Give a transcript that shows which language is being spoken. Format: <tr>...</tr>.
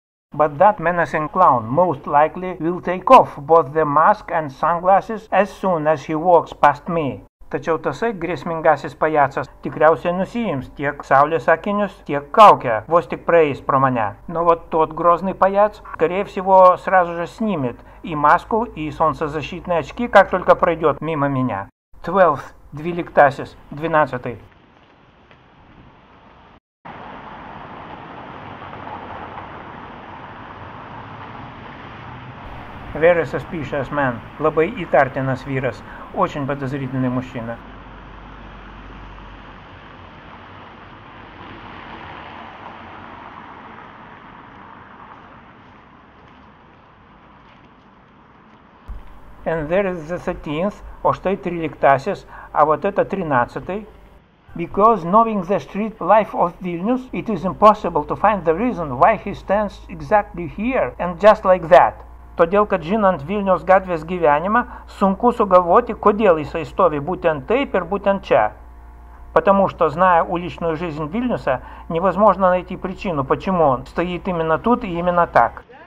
<en>But that menacing clown most likely will take off both the mask and sunglasses as soon as he walks past me.</en> <lt>Tačiau tasai grėsmingasis pajacas tikriausiai nusiims tiek saulės akinius, tiek kaukę, vos tik praeis pro mane.</lt> <ru>Но вот тот грозный паяц, скорее всего, сразу же снимет и маску, и солнцезащитные очки, как только пройдет мимо меня. 12.</ru> <en>Very suspicious man.</en> <lt>Labai įtartinas vyras.</lt> <ru>Очень подозрительный мужчина.</ru> <en>And there is the 13th.</en> <lt>О, štai 13-asis.</lt> <ru>А вот это 13-й.</ru> <en>Because knowing the street life of Vilnius, it is impossible to find the reason why he stands exactly here and just like that.</en> <lt>Todėl, kad žinant Vilniaus gatvės gyvenimą, sunku sugalvoti, kodėl jisai stovi būtent taip ir būtent čia.</lt> <ru>Потому что, зная уличную жизнь Вильнюса, невозможно найти причину, почему он стоит именно тут и именно так.</ru>